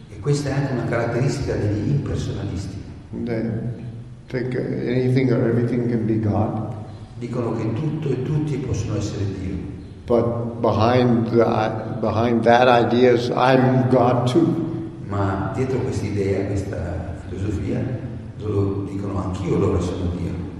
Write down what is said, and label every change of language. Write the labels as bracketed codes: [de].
[it] E questa è anche una caratteristica degli impersonalisti. [en] They think anything or everything can be God. [it] Dicono che tutto e tutti possono essere Dio. [en] But behind that idea is I'm God too. [it] Ma dietro questa idea, questa filosofia, loro dicono anch'io loro sono Dio.